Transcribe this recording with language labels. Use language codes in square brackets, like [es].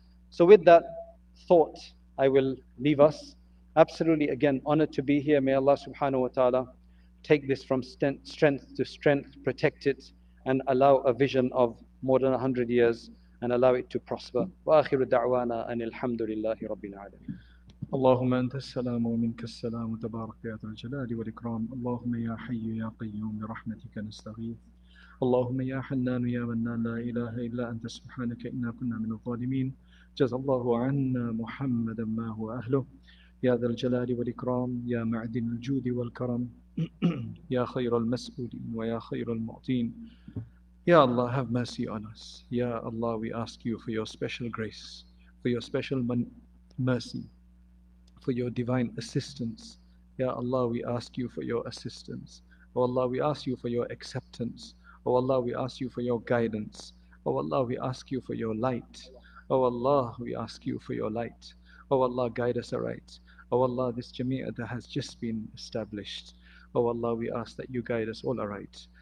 [en] So with that thought, I will leave us. Absolutely, again, honored to be here. May Allah subhanahu wa ta'ala take this from strength to strength, protect it, and allow a vision of more than 100 years, and allow it to prosper. [ar] Wa akhiru da'wana an alhamdulillahi rabbil alamin. اللهم أنت السلام ومنك السلام تبارك يا ذا الجلال والإكرام اللهم يا حي يا قيوم برحمتك نستغيث اللهم يا حنان يا منان لا إله إلا أنت سبحانك إنا كنا من الظالمين جزى الله عنا محمدا ما هو أهله يا ذا الجلال والإكرام يا معدن الجود والكرم يا خير المسؤولين ويا خير المعطين يا الله [en] have mercy on us [ar] يا الله [en] we ask you for your special grace for your special mercy for your divine assistance. Ya Allah, we ask you for your assistance. Oh Allah, we ask you for your acceptance. Oh Allah, we ask you for your guidance. Oh Allah, we ask you for your light. Oh Allah, we ask you for your light. Oh Allah, guide us aright. Oh Allah, this Jamia that has just been established. Oh Allah, we ask that you guide us all aright.